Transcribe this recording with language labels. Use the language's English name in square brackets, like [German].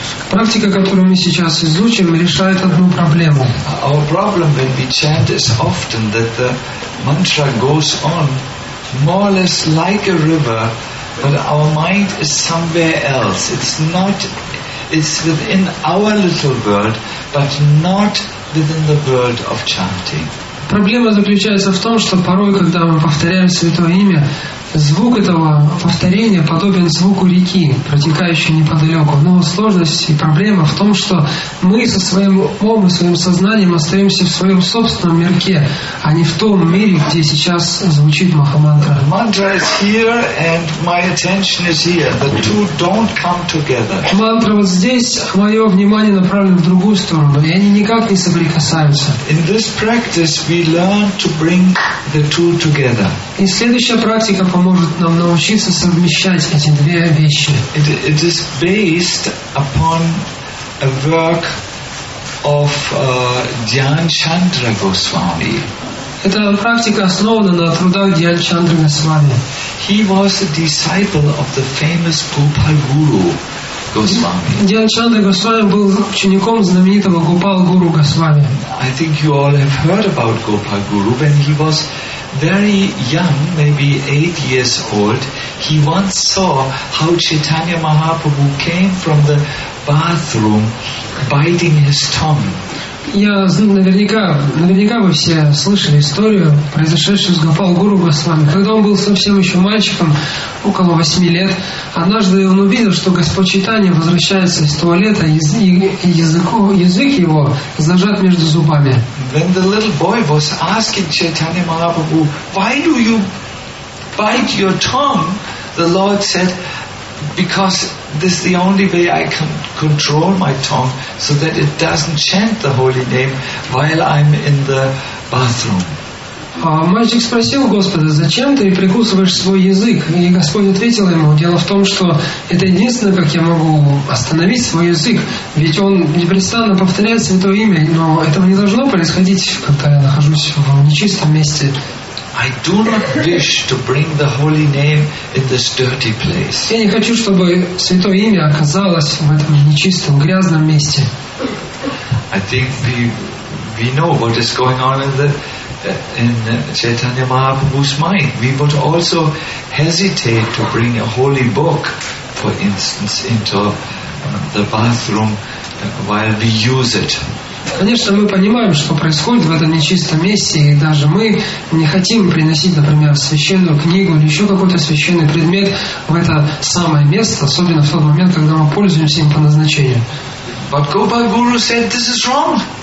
[Russian] Практика, которую мы сейчас изучим, решает одну проблему. [English] Our problem when we chant is often that the mantra goes on more or less like a river, but our mind is somewhere else. It's within our little world, but not within the world of chanting. [Russian] Проблема заключается в том, что порой, когда мы повторяем Святое Имя, звук этого повторения подобен звуку реки, протекающей неподалеку. Но сложность и проблема в том, что мы со своим умом и своим сознанием остаемся в своем собственном мирке, а не в том мире, где сейчас звучит Махамантра. [English] Mantra is here and my attention is here. The two don't come together. [Russian] Мантра вот здесь, а мое внимание направлено в другую сторону, и они никак не соприкасаются. [English] In this practice we learn to bring the two together. [Russian] И следующая практика поможет нам научиться совмещать эти две вещи. [English] It is based upon a work of Dhyanchandra Goswami. [Russian] Эта практика основана на трудах Дхьянчандры Госвами. [English] He was a disciple of the famous Gopal Guru Goswami. [Russian] Дхьянчандра Госвами был учеником знаменитого Гопал Гуру Госвами. [English] I think you all have heard about Gopal Guru when he was very young, maybe 8 years old, he once saw how Chaitanya Mahaprabhu came from the bathroom biting his tongue. [Russian] Я наверняка вы все слышали историю, произошедшую с Гопал Гуру Госвами. Когда он был совсем еще мальчиком, около 8 лет, однажды он увидел, что Господь Чайтанья возвращается из туалета, и язык его зажат между зубами. [English] When the little boy was asking Chaitanya Mahaprabhu, why do you bite your tongue? The Lord said, because this is the only way I can control my tongue so that it doesn't chant the holy name while I'm in the bathroom. [Russian] Мальчик спросил Господа, зачем ты прикусываешь свой язык? И Господь ответил ему, дело в том, что это единственное, как я могу остановить свой язык, ведь он непрестанно повторяет Святое Имя, но этого не должно происходить, когда я нахожусь в нечистом месте. [English] I do not wish to bring the holy name in this dirty place. [Russian] Я не хочу, чтобы Святое Имя оказалось в этом нечистом, грязном месте. [English] I think we know what is going on in Chaitanya Mahaprabhu's mind. We would also hesitate to bring a holy book, for instance, into the bathroom while we use it. [Russian] Конечно, мы понимаем, что происходит в этом нечистом месте, и даже мы не хотим приносить, например, священную книгу или еще какой-то священный предмет в это самое место, особенно в тот момент, когда мы пользуемся им по назначению. [English] But Gopal Guru said this is wrong.